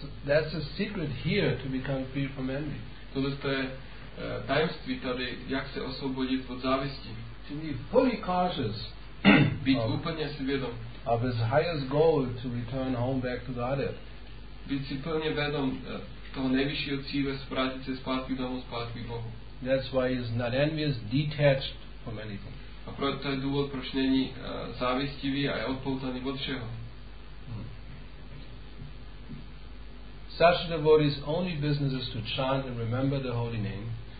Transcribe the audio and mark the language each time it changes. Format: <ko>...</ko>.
<en>That's a secret here to become free from envy.</en> <cs>To je tajemství tady, jak se osvobodit od závisti.</cs> <en>To be fully cautious.</en> <cs>Být úplně si vědom.</cs> <en>Of his highest goal to return home back to Godhead.</en> <cs>Být si plně vědom toho nejvyššího cíle, vrátit se zpátky domů, zpátky Bohu.</cs> <en>That's why he's not envious, detached from anything.</en> <cs>A proto to je důvod, proč není závistivý a je odpoutaný od všeho.</cs> <en>Such devotee's only business is to chant and remember the holy name.</en>